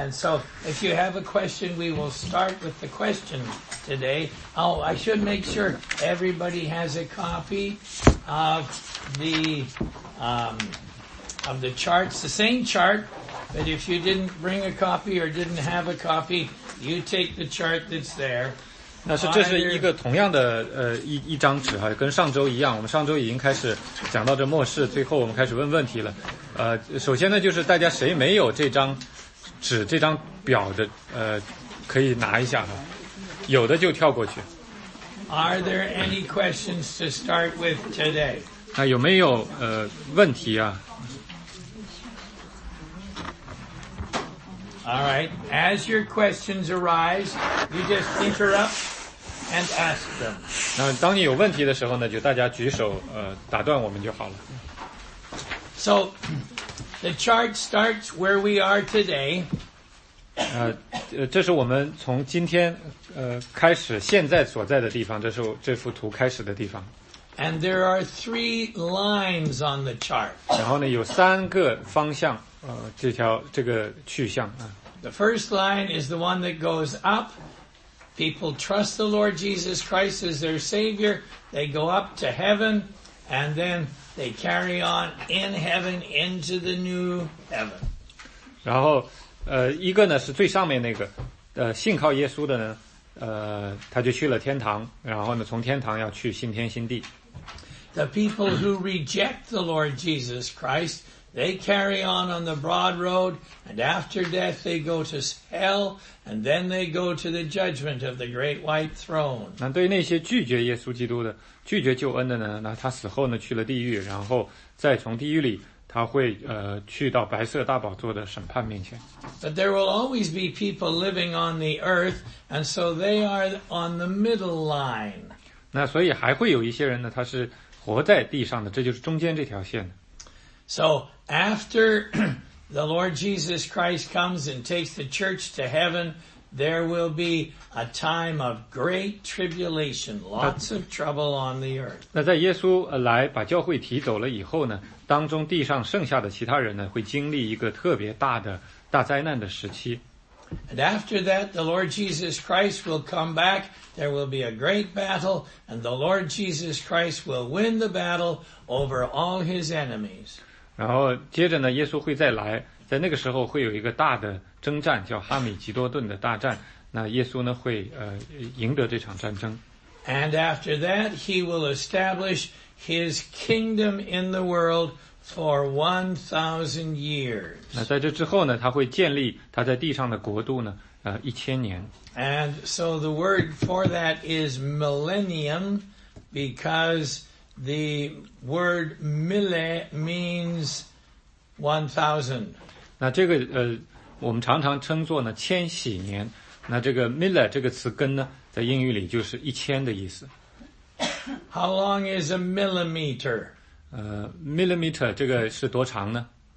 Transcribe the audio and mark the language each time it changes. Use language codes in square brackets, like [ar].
[en] And so if you have a question, we will start with the question today. Oh, I should make sure everybody has a copy of the charts, the same chart, but if you didn't bring a copy or didn't have a copy, you take the chart that's there. [zh] 那是这是一个同样的一张纸哈，跟上周一样，我们上周已经开始讲到这末世，最后我们开始问问题了。首先呢，就是大家谁没有这张纸这张表的可以拿一下哈，有的就跳过去。 [en] Are there any questions to start with today？ [zh] 那有没有问题啊？ [en] All right. As your questions arise, you just interrupt and ask them. [zh] 那当你有问题的时候呢，就大家举手，打断我们就好了。 [en] So, the chart starts where we are today. [zh] 这是我们从今天开始现在所在的地方，这是这幅图开始的地方。 [en] And there are three lines on the chart. [zh] 然后呢，有三个方向。这个去向啊。 [en] The first line is the one that goes up. People trust the Lord Jesus Christ as their Savior. They go up to heaven, and then they carry on in heaven into the new heaven. [zh] 然后，一个呢是最上面那个，信靠耶稣的呢，他就去了天堂，然后呢从天堂要去新天新地。 [en] The people who reject the Lord Jesus Christ. They carry on the broad road, and after death they go to hell, and then they go to the judgment of the great white throne. [zh] 那对那些拒绝耶稣基督的、拒绝救恩的呢？那他死后呢，去了地狱，然后再从地狱里，他会去到白色大宝座的审判面前。 [en] But there will always be people living on the earth, and so they are on the middle line. [zh] 那所以还会有一些人呢，他是活在地上的，这就是中间这条线。 [en] So, after the Lord Jesus Christ comes and takes the church to heaven, there will be a time of great tribulation, lots of trouble on the earth. [zh] 那在耶稣来把教会提走了以后呢，当中地上剩下的其他人呢，会经历一个特别大的大灾难的时期。 [en] And after that, the Lord Jesus Christ will come back. There will be a great battle, and the Lord Jesus Christ will win the battle over all his enemies. [zh] 然后接着呢，耶稣会再来，在那个时候会有一个大的征战，叫哈米吉多顿的大战。那耶稣呢，会赢得这场战争。 [en] And after that, he will establish his kingdom in the world. For 1,000 years. [zh] 那在这之后呢，他会建立他在地上的国度呢，一千年。 [en] And so the word for that is millennium, because the word mille means 1,000. [zh] 那这个我们常常称作呢千禧年。那这个 mille 这个词根呢，在英语里就是一千的意思。 [en] How long is a millimeter? [zh] millimeter 这个是多长呢